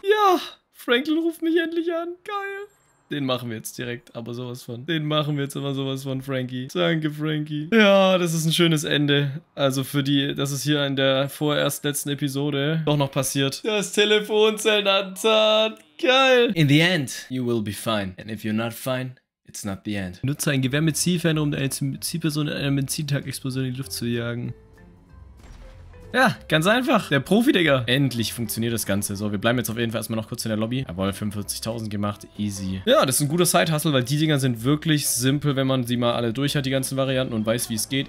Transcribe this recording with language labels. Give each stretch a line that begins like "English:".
German: Ja, Franklin ruft mich endlich an. Geil. Den machen wir jetzt direkt, aber sowas von. Den machen wir jetzt aber sowas von, Frankie. Danke, Frankie. Ja, das ist ein schönes Ende. Also für die, das ist hier in der vorerst letzten Episode doch noch passiert. Das Telefonzellenattentat. Geil.
English: In the end, you will be fine. And if you're not fine, it's not the end.
German: Nutze ein Gewehr mit Zielfernrohr, um eine Zielperson in einer Benzintank-Explosion in die Luft zu jagen. Ja, ganz einfach. Der Profi, Digga. Endlich funktioniert das Ganze. So, wir bleiben jetzt auf jeden Fall erstmal noch kurz in der Lobby. Jawohl, 45.000 gemacht. Easy. Ja, das ist ein guter Side-Hustle, weil die Dinger sind wirklich simpel, wenn man sie mal alle durch hat, die ganzen Varianten, und weiß, wie es geht.